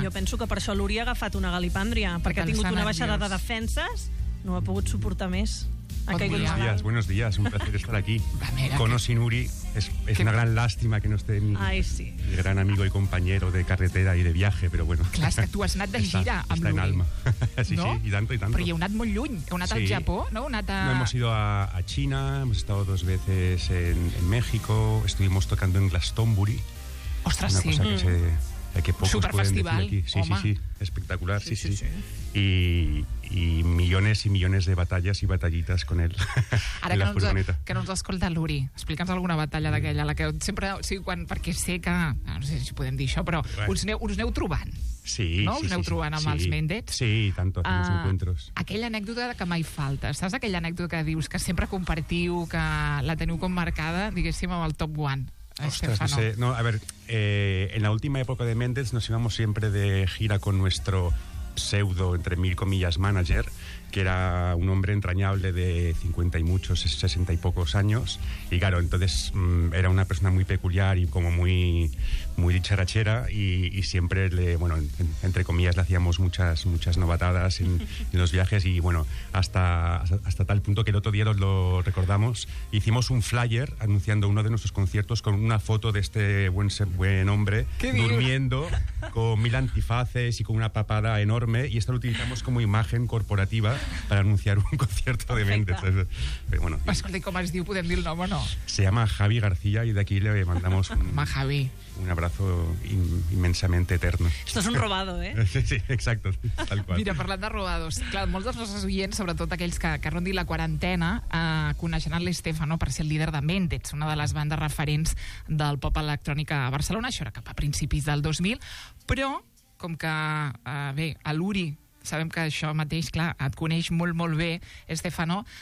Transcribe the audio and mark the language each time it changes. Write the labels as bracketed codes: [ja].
[ca] Jo penso que per això l'Uri ha agafat una galipàndria, perquè ha tingut una baixada de defenses, no ho ha pogut suportar més. [es] Buenos días, un placer estar aquí. Sin Uri, es una gran lástima que no esté mi gran amigo y compañero de carretera y de viaje, pero bueno. [ca] Clar, és que tu has anat de gira amb l'Uri. [es] Está en alma. [ca] Sí, i tanto. Però hi heu anat molt lluny, heu anat al Japó, no? [es] No, hemos ido a China, hemos estado dos veces en México, estuvimos tocando en Glastonbury. [ca] Ostres, [es] una cosa que que pocos [ca] superfestival, aquí. Sí, home. Sí, espectacular, sí. [es] Y millones y millones de batallas y batallitas con él. [ca] Ara que, que no ens escolta l'Uri, explica'ns alguna batalla d'aquella, la que sempre, o sigui, quan, perquè sé que, no sé si podem dir això, però us aneu trobant. Sí, no? Sí. Us aneu trobant amb els Mendets. [es] Sí, tanto, fins encuentros. [ca] Aquella anècdota que mai falta, saps aquella anècdota que dius que sempre compartiu, que la teniu com marcada, diguéssim, amb el top one? [es] Ostras, no sé. No, a ver, en la última época de Mendes nos íbamos siempre de gira con nuestro pseudo, entre mil comillas, manager, que era un hombre entrañable de 50 y muchos, 60 y pocos años. Y claro, entonces era una persona muy peculiar y como muy, muy dicharachera, y siempre entre comillas, le hacíamos muchas, muchas novatadas en los viajes. Y bueno, hasta tal punto que el otro día lo recordamos, hicimos un flyer anunciando uno de nuestros conciertos con una foto de este buen hombre durmiendo con mil antifaces y con una papada enorme. Y esto lo utilizamos como imagen corporativa para anunciar un concierto de Mendes. Pero bueno. [ca] Escolta, ¿cómo es diu? ¿Podem dir el nom o no? [es] Se llama Javi García y de aquí le mandamos un abrazo inmensamente eterno. Esto es un robado, ¿eh? Sí, exacto, tal cual. [ca] Mira, parlant de robados, clar, molts dels nostres oients, sobretot aquells que rondin la quarantena, coneixeran l'Stefano per ser el líder de Mendes, una de les bandes referents del pop electrònic a Barcelona. Això era cap a principis del 2000, però com que, a l'Uri, sabem que això mateix, clar, et coneix molt, molt bé, Stefano.